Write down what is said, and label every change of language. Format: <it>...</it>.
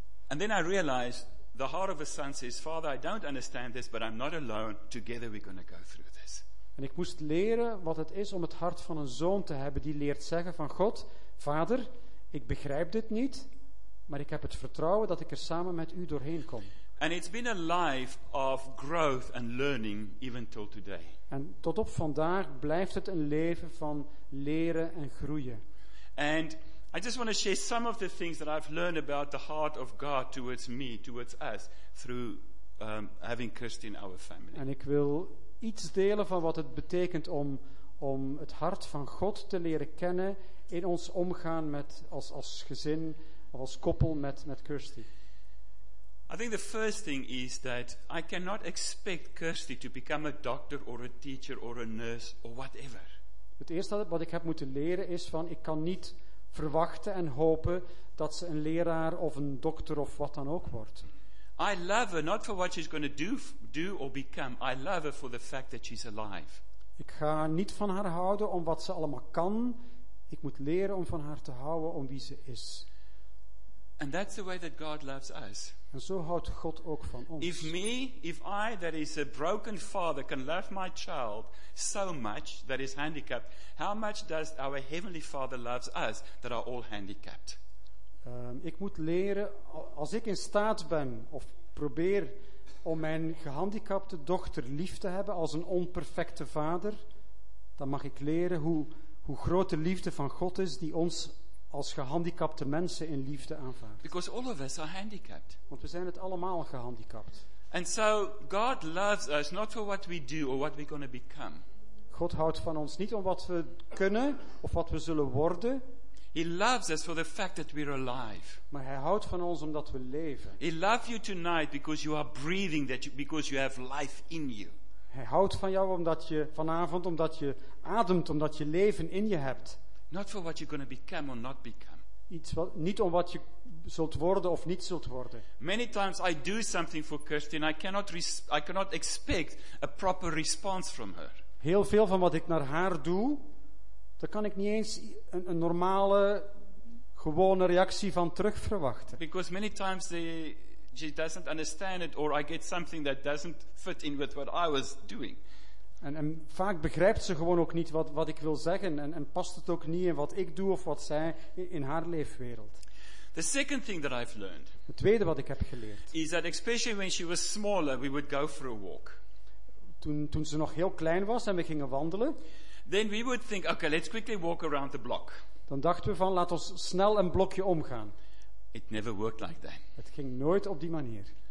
<en>And then I realized the heart of a son says, Father, I don't understand this, but I'm not alone. Together we're going to go through this.</en> <nl>En ik moest leren wat het is om het hart van een zoon te hebben die leert zeggen van God, Vader, ik begrijp dit niet, maar ik heb het vertrouwen dat ik er samen met u doorheen kom.</nl> <en>And it's been a life of growth and learning even till today.</en> <nl>En tot op vandaag blijft het een leven van leren en groeien.</nl> <en>And I just want to share some of the things that I've learned about the heart of God towards me, towards us, through having Christ in our family.</en> <nl>En ik wil iets delen van wat het betekent om het hart van God te leren kennen in ons omgaan met als gezin of als koppel met Christy.</nl> <en>I think the first thing is that I cannot expect Kirsty to become a doctor or a teacher or a nurse or whatever.</en> <nl>Het eerste wat ik heb moeten leren is van, ik kan niet verwachten en hopen dat ze een leraar of een dokter of wat dan ook wordt.</nl> <en>I love her not for what she's going to do or become. I love her for the fact that she's alive.</en> <nl>Ik ga niet van haar houden om wat ze allemaal kan. Ik moet leren om van haar te houden om wie ze is.</nl> <en>And that's the way that God loves us.</en> <nl>En zo houdt God ook van ons.</nl> <en>If I, that is a broken father, can love my child so much that is handicapped, how much does our heavenly Father loves us that are all handicapped?</en> <nl>Ik moet leren, als ik in staat ben of probeer om mijn gehandicapte dochter lief te hebben als een onperfecte vader, dan mag ik leren hoe groot de liefde van God is die ons als gehandicapte mensen in liefde aanvaardt.</nl> <en>Because all of us are handicapped.</en> <nl>Want we zijn het allemaal gehandicapt.</nl> <en>And so God loves us not for what we do or what we're going to become.</en> <nl>God houdt van ons niet om wat we kunnen of wat we zullen worden.</nl> <en>He loves us for the fact that we're alive.</en> <nl>Maar hij houdt van ons omdat we leven.</nl> <en>He loves you tonight because you are breathing, because you have life in you.</en> <nl>Hij houdt van jou omdat je vanavond omdat je ademt, omdat je leven in je hebt.</nl> <en>Not for what you're going to become or not become.</en> <nl>Niet om wat je zult worden of niet zult worden.</nl> <en>Many times I do something for Kirsty and I cannot expect a proper response from her.</en> <nl>Heel veel van wat ik naar haar doe, daar kan ik niet eens een normale, gewone reactie van terug verwachten.</nl> <en>Because many times she doesn't understand it or I get something that doesn't fit in with what I was doing.</en> <nl>En vaak begrijpt ze gewoon ook niet wat ik wil zeggen en past het ook niet in wat ik doe of wat zij in haar leefwereld.</nl> <en>The second thing that I've learned.</en> <nl>Het tweede wat ik heb geleerd.</nl> <en>Is that especially when she was smaller, we would go for a walk.</en> <nl>Toen ze nog heel klein was en we gingen wandelen.</nl> <en>Then we would think, okay, let's quickly walk around the block.</en> <nl>Dan dachten we van, laat ons snel een blokje omgaan.</nl> <en>It never worked like that.</en> <nl>Het ging nooit op die manier.</nl>